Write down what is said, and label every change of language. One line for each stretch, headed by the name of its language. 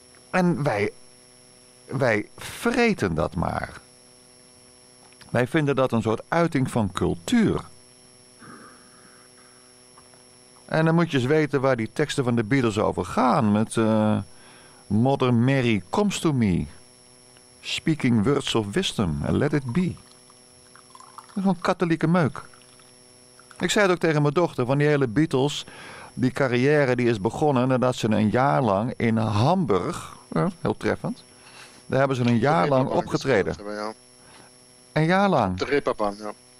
Dutch: En wij vreten dat maar. Wij vinden dat een soort uiting van cultuur. En dan moet je eens weten waar die teksten van de Beatles over gaan.
English: Met Mother Mary comes to me. Speaking words of wisdom and let it be.
Dutch: Dat is gewoon katholieke meuk. Ik zei het ook tegen mijn dochter van die hele Beatles. Die carrière die is begonnen nadat ze een jaar lang in Hamburg. Heel treffend. Daar hebben ze een jaar lang opgetreden. Een jaar lang. De Reeperbahn, ja.